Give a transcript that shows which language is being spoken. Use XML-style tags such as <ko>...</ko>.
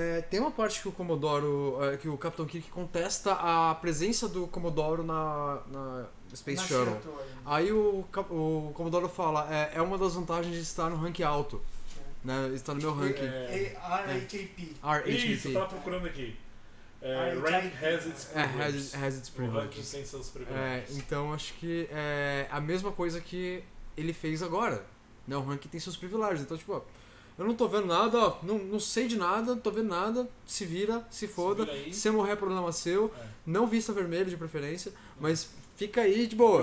<pt>Tem uma parte que o Commodore, que o Capitão Kirk contesta a presença do Commodore na Space Shuttle. Aí o Commodore fala, é uma das vantagens de estar no rank alto. Né? Está no meu ranking. R-A-K-P. Isso, tava procurando aqui.</pt> <en>Rank has its privileges.</en> <pt>Tem seus privileges. Então acho que é a mesma coisa que ele fez agora. Né? O Rank tem seus privilégios. Então, tipo, ó, eu não tô vendo nada, ó, não sei de nada, não tô vendo nada. Se vira, se foda. Se eu morrer, problema seu. É. Não vista vermelho de preferência, mas fica aí de boa.</pt>